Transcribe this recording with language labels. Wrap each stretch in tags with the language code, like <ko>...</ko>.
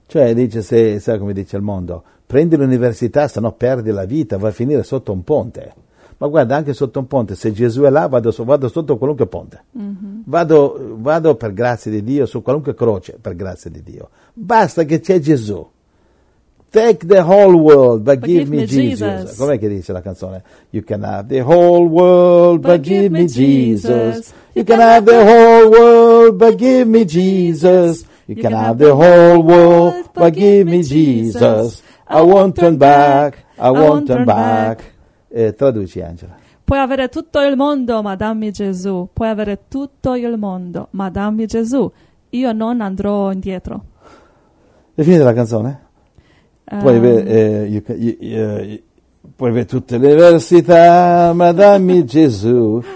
<it>Cioè dice, se sai come dice il mondo, prendi l'università, se no perdi la vita, vai a finire sotto un ponte. Ma guarda, anche sotto un ponte, se Gesù è là, vado sotto qualunque ponte. Mm-hmm. Vado per grazia di Dio, su qualunque croce, per grazia di Dio. Basta che c'è Gesù.</it> <en>Take the whole world, but give me Jesus.</en> <it>Jesus. Com'è che dice la canzone?</it> <en>You can have the whole world, but give me Jesus. You can have the whole world, but give me Jesus. You can have the whole world, but give me Jesus. I won't turn back.</en> <it>Traduci, Angela. Puoi avere tutto il mondo, ma dammi Gesù. Puoi avere tutto il mondo, ma dammi Gesù. Io non andrò indietro. È finita la canzone? Puoi avere tutte le università, ma dammi Gesù.</it>